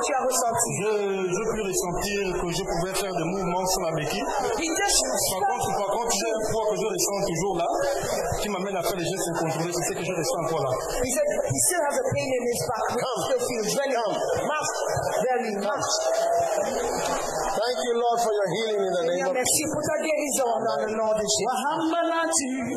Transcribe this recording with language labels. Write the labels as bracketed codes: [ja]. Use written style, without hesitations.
[fr] Je puis ressentir que je pouvais faire des mouvements sans la béquille. Par contre, j'ai un poids que je ressens toujours là, qui m'amène à faire les gestes incontrôlés. C'est ce que je ressens encore là. Il a dit qu'il a toujours un pain dans son back. Je suis très bien. [en] Thank you, Lord, for your healing in the name of Jesus. [fr] Merci pour ta guérison dans le nom de Jésus.